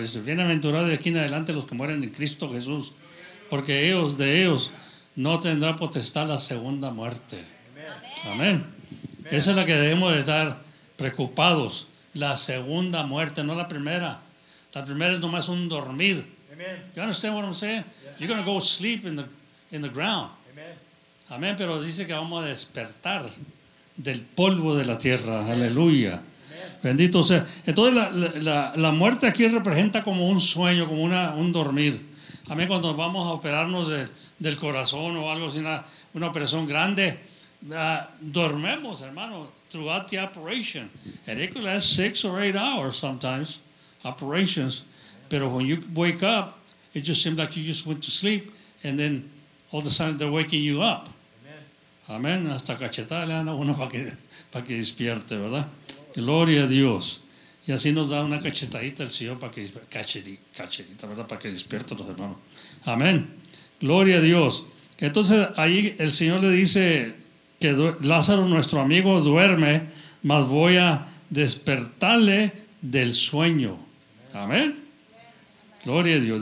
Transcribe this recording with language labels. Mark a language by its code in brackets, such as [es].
[es] Dice, bienaventurado de aquí en adelante los que mueren en Cristo Jesús, porque ellos, de ellos, no tendrá potestad la segunda muerte. Amén. Esa es la que debemos de estar preocupados, la segunda muerte, no la primera. La primera es nomás un dormir. Amen. [en] You understand what I'm saying? Yes. You're going to go sleep in the ground. Amen. Amén. [es] Pero dice que vamos a despertar del polvo de la tierra. Amen. Aleluya. Amen. Bendito sea. Entonces la muerte aquí representa como un sueño, como un dormir. [en] Amén. [es] Cuando vamos a operarnos del corazón o algo así, una operación grande, dormemos, hermano, [en] throughout the operation, and it could last 6 or 8 hours sometimes, operations. Pero when you wake up, it just seems like you just went to sleep, and then all of a sudden they're waking you up. Amén. [es] Hasta cachetada le dan a uno para que despierte, ¿verdad? Gloria a Dios. Y así nos da una cachetadita el Señor para que cachetita, ¿verdad? Para que despierten los hermanos. Amén. Gloria a Dios. Entonces ahí el Señor le dice que Lázaro, nuestro amigo, duerme, mas voy a despertarle del sueño. Amén. Gloria a Dios.